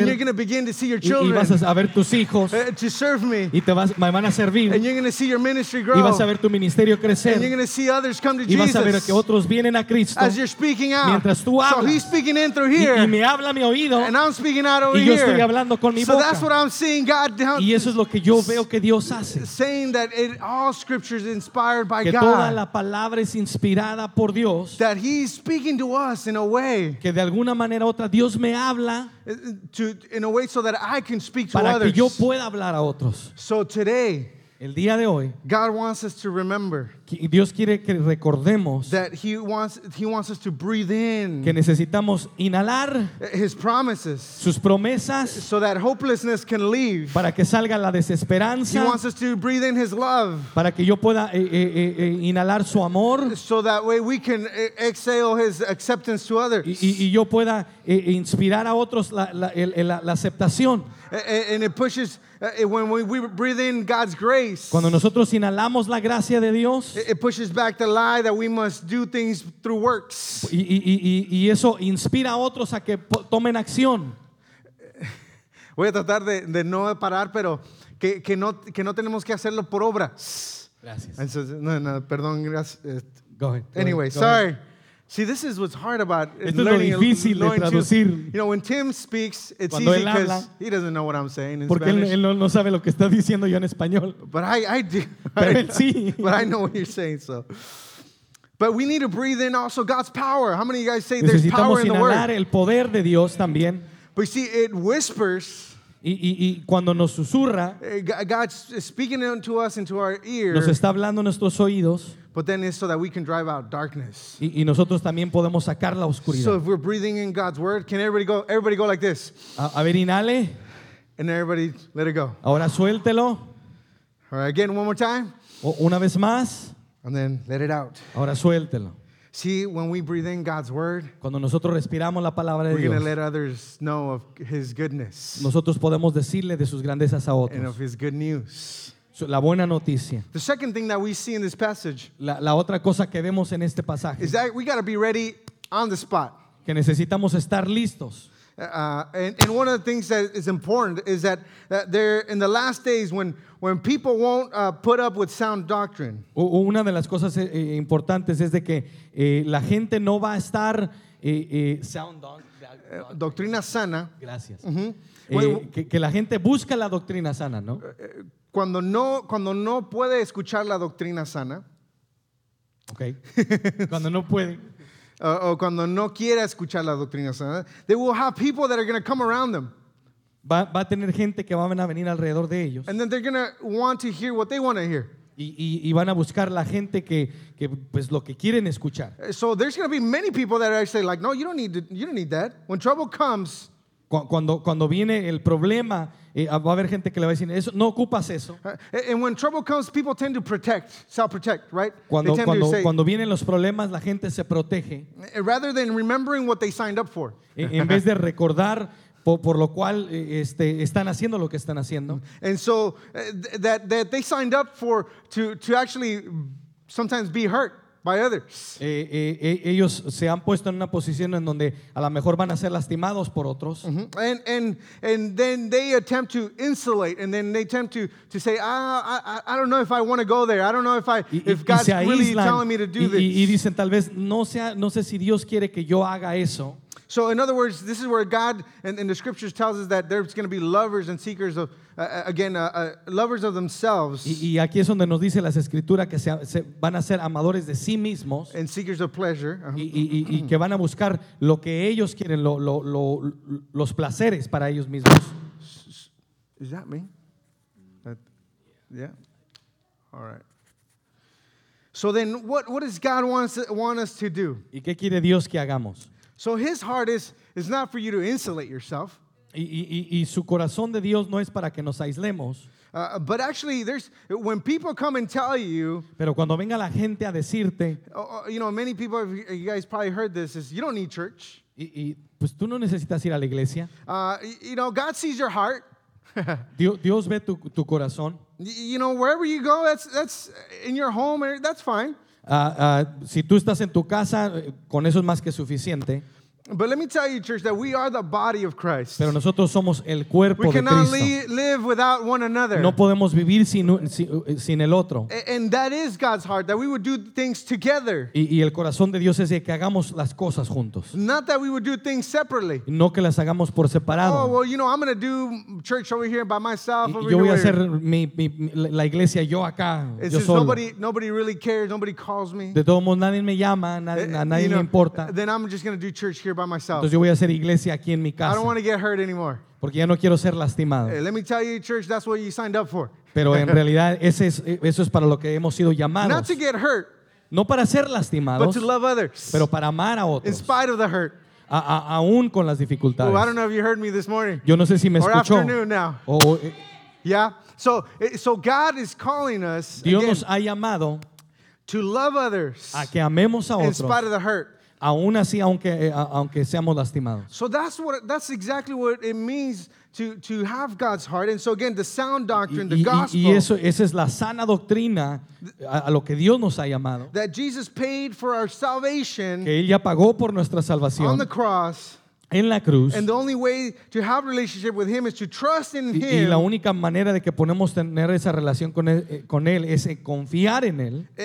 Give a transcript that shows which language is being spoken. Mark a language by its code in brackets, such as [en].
[en] And you're going to begin to see your children. [es] Y vas a ver tus hijos. [en] To serve me. [es] Y te vas, me van a hacer servir. [en] And you're going to see your ministry grow. [es] Y vas a ver tu ministerio crecer. [en] And you're going to see others come to [es] Jesus. Y vas a ver que otros vienen a Cristo. [en] As you're speaking out. [es] Mientras tú hablas. [en] So he's speaking in through here. [es] Y me habla mi oído. [en] And I'm speaking out over here. [es] Y yo estoy hablando con mi [en] so [es] boca. [en] So that's what I'm seeing God down. [es] Y eso es lo que yo veo que Dios hace. [en] Saying that it, all scriptures inspired by [es] que [en] God. [es] Que toda la palabra es inspirada por Dios. [en] That he's speaking to us in a way. [es] Que de alguna manera otra Dios me habla. [en] To, in a way so that I can speak to [es] para [en] others. [es] Para que yo pueda hablar a otros. [en] So today, [es] el día de hoy, [en] God wants us to remember. [es] Dios quiere que recordemos [en] that he wants us to breathe in. [es] Que necesitamos inhalar [en] his promises. [es] Sus promesas. [en] So that hopelessness can leave. [es] Para que salga la desesperanza. [en] He wants us to breathe in his love. [es] Para que yo pueda inhalar su amor. [en] So that way we can exhale his acceptance to others. [es] Y yo pueda inspirar a otros la aceptación. [en] And it pushes when we breathe in God's grace. [es] Cuando nosotros inhalamos la gracia de Dios. [en] It pushes back the lie that we must do things through works. [es] Y eso inspira a otros a que tomen acción. Voy a tratar de no parar, pero que no tenemos que hacerlo por obras. Gracias. Perdón, gracias. [en] Go ahead. Anyway, go sorry. Ahead. See, this is what's hard about [es] esto [en] learning. [es] Es lo difícil de traducir. [en] You know, when Tim speaks, it's [es] cuando [en] easy because he doesn't know what I'm saying in [es] porque [en] Spanish. [es] Porque él no sabe lo que está diciendo yo en español. [en] But I do. [es] Pero él sí. [en] But I know what you're saying, so. But we need to breathe in also God's power. How many of you guys say there's power in the word? [es] Necesitamos inhalar el poder de Dios también. [en] But you see, it whispers. [es] Y cuando nos susurra. [en] God's speaking into us, into our ear. [es] Nos está hablando en nuestros oídos. [en] But then it's so that we can drive out darkness. [es] Y nosotros también podemos sacar la oscuridad. [en] So if we're breathing in God's word, can everybody go like this? [es] A ver, inhale. [en] And everybody let it go. [es] Ahora suéltelo. [en] All right, again, one more time. [es] Una vez más. [en] And then let it out. [es] Ahora suéltelo. [en] See, when we breathe in God's word, [es] cuando nosotros respiramos la palabra de [en] we're [es] Dios, [en] we're going to let others know of his goodness. [es] Nosotros podemos decirle de sus grandezas a otros. [en] And of his good news. [es] La buena noticia. [en] The second thing that we see in this passage, [es] la otra cosa que vemos en este pasaje, [en] is that we got to be ready on the spot. [es] Que necesitamos estar listos. [en] And one of the things that is important is that there in the last days when people won't put up with sound doctrine. [es] Una de las cosas importantes es de que la gente no va a estar [en] sound [es] doctrina sana. Gracias. Que la gente busca la doctrina sana, ¿no? Cuando no puede escuchar la doctrina sana. [en] Okay. [es] Cuando no puede. O cuando no quiera escuchar la doctrina sana, [en] they will have people that are going to come around them. [es] Va a tener gente que van a venir alrededor de ellos. [en] And then they're going to want to hear what they want to hear. [es] Y van a buscar la gente que pues lo que quieren escuchar. [en] So there's going to be many people that are actually like, no, you don't need that. When trouble comes, [es] cuando viene el problema, va a haber gente que le va a decir eso, no ocupas eso. [en] And when trouble comes, people tend to protect, self-protect, right? [es] Cuando vienen los problemas, la gente se protege. [en] Rather than remembering what they signed up for. [es] En vez de recordar por lo cual están haciendo lo que están haciendo. [en] And so that they signed up for to actually sometimes be hurt by others. [es] Ellos se han puesto en una posición en donde a lo mejor van a ser lastimados por otros. Mm-hmm. [en] And then they attempt to insulate, and then they attempt to say, I don't know if I want to go there. I don't know if God's really telling me to do this. [es] Y dicen tal vez no sé si Dios quiere que yo haga eso. [en] So in other words, this is where God and the scriptures tells us that there's going to be lovers and seekers of lovers of themselves. [es] Y aquí es donde nos dice las escrituras que se van a ser amadores de sí mismos. [en] And seekers of pleasure. [es] Y que van a buscar lo que ellos quieren, los placeres para ellos mismos. [en] Is that me? Yeah. All right. So then, what does God want us to do? [es] ¿Y qué quiere Dios que hagamos? [en] So his heart is not for you to insulate yourself. [es] Y su corazón de Dios no es para que nos aislemos. [en] But actually, there's when people come and tell you. [es] Pero cuando venga la gente a decirte. [en] You know, many people, you guys probably heard this, is you don't need church. [es] Y pues tú no necesitas ir a la iglesia. [en] You know, God sees your heart. [es] Dios ve tu corazón. [en] You know, wherever you go, that's in your home, that's fine. [es] Si tú estás en tu casa, con eso es más que suficiente. [en] But let me tell you, church, that we are the body of Christ. [es] Pero nosotros somos el cuerpo de Cristo. [en] We cannot live without one another. [es] No podemos vivir sin el otro. [en] And that is God's heart, that we would do things together. [es] Y el corazón de Dios es de que hagamos las cosas juntos. [en] Not that we would do things separately. [es] No que las hagamos por separado. [en] Oh, well, you know, I'm going to do church over here by myself. Over [es] yo voy a hacer la iglesia yo acá, [en] it's [es] yo solo. [en] Nobody really cares. Nobody calls me. [es] De todo modo, nadie me llama, nadie me importa. [en] Then I'm just going to do church here by myself. [es] Entonces yo voy a hacer iglesia aquí en mi casa. [en] I don't want to get hurt anymore. [es] Porque ya no quiero ser lastimado. [en] Let me tell you, church, that's what you signed up for. [es] Pero en realidad eso es para lo que hemos sido llamados. [en] Not to get hurt. [es] No para ser lastimados. [en] But to love others. [es] Pero para amar a otros. [en] In spite of the hurt. [es] Aún con las dificultades. [en] Well, I don't know if you heard me this morning. [es] Yo no sé si me [en] or [es] escuchó. [en] Afternoon now. Yeah. So God is calling us. [es] Dios [en] again, [es] nos ha llamado. [en] To love others. [es] A que amemos a otros. [en] In spite of the hurt. [es] Aún así, aunque seamos lastimados. [en] So that's exactly what it means to have God's heart. And so again, the sound doctrine, the gospel. [es] Y eso, esa es la sana doctrina a lo que Dios nos ha llamado. [en] That Jesus paid for our salvation. [es] Que Él ya pagó por nuestra salvación. [en] On the cross. [es] En la cruz. [en] And the only way to have a relationship with Him is to trust in Him. [es] Y la única manera de que podemos tener esa relación con él es confiar en Él.